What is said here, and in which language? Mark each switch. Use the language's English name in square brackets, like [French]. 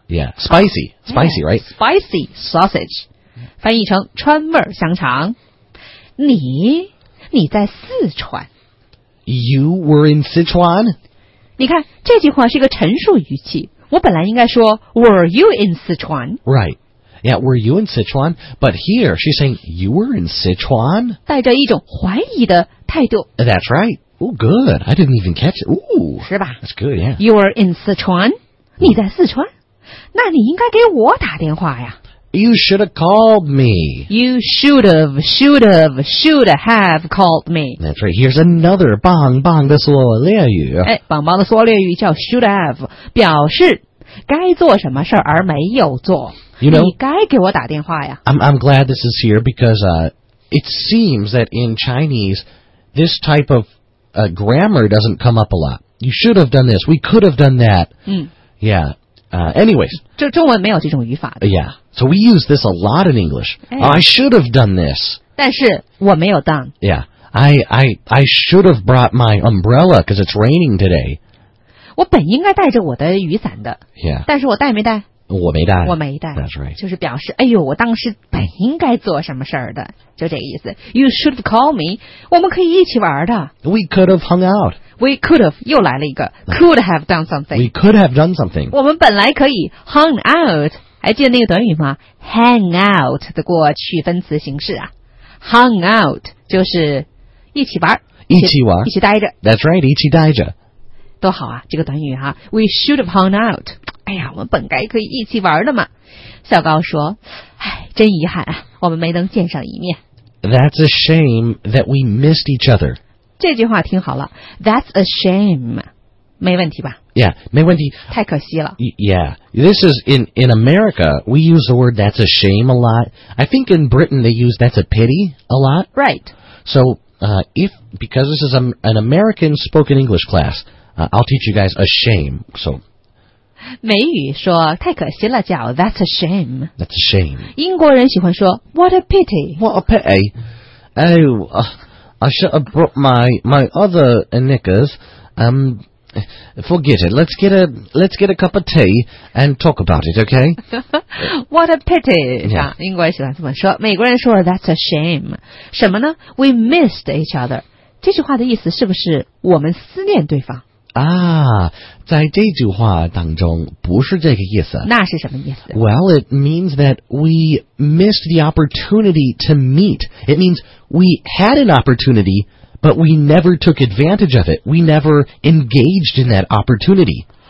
[English] Yeah，spicy，spicy，right？Spicy spicy,、right? spicy sausage， [Chinese] 翻译成川味香肠。你在四川。 [English] You were in Sichuan。 [Chinese] 你看这句话是一个陈述语气，我本来应该说 [English] Were you in Sichuan? Right. Yeah, were you in Sichuan? But here, she's saying, you were in Sichuan? [Chinese] 带着一种怀疑的态度。 [English] That's right. Oh, good. I didn't even catch it. Ooh, [Chinese] 是吧 [English] That's good, yeah. You were in Sichuan? [Chinese] 你在四川？那你应该给我打电话呀。 [English] You should have called me. You should have called me. That's right. Here's another [Chinese] 棒棒的缩略语。哎，棒棒的缩略语叫 [English] should have， [Chinese] 表示该做什么事而没有做。 [English] You know, [Chinese] 你该给我打电话呀。 [English] I'm glad this is here because it seems that in Chinese, this type of grammar doesn't come up a lot. You should have done this. We could have done that. 嗯。 Yeah. Anyways. [Chinese] 中文没有这种语法的。 [English] Yeah. So we use this a lot in English.、哎、 I should have done this. [Chinese] 但是我没有 done. [English] Yeah. I should have brought my umbrella because it's raining today. [Chinese] 我本应该带着我的雨伞的。 [English] Yeah. [Chinese] 但是我带没带？我没带。我没带。 [English] That's right. [Chinese] 就是表示哎呦我当时本应该做什么事儿的。就这个意思。 [English] You should have called me. [Chinese] 我们可以一起玩的。 [English] We could have hung out. We could have. [Chinese] 又来了一个。 [English] Could have done something. We could have done something. [Chinese] 我们本来可以 hung out. 还记得那个短语吗 ？Hang out 的过去分词形式啊 ，hung out 就是一起玩，一起玩，一起待着。 [English] That's right， [Chinese] 一起待着，多好啊！这个短语哈、啊、， [English] We should have hung out。 [Chinese] 哎呀，我们本该可以一起玩的嘛。小高说：“哎，真遗憾啊，我们没能见上一面。” [English] That's a shame that we missed each other。 [Chinese] 这句话听好了 ， [English] That's a shame。 [Chinese] 没问题吧？Yeah， 没问题。太可惜了。 [English] Yeah， this is in America we use the word that's a shame a lot. I think in Britain they use that's a pity a lot. Right. So if because this is an American spoken English class, I'll teach you guys a shame. So [Chinese] 美语说太可惜了叫 [English] that's a shame. That's a shame. [Chinese] 英国人喜欢说 [English] what a pity. What a pity. Oh, I should have brought my other knickers. Forget it. Let's get a cup of tea and talk about it, okay? What a pity. Yeah. [Chinese] 英国人喜欢这么说。美国人说 [English] that's a shame. [Chinese] 什么呢 [English] We missed each other. [Chinese] 这句话的意思是不是我们思念对方啊在这句话当中不是这个意思。那是什么意思 [English] Well, it means that we missed the opportunity to meet. It means we had an opportunity... But we never took advantage of it. We never engaged in that opportunity.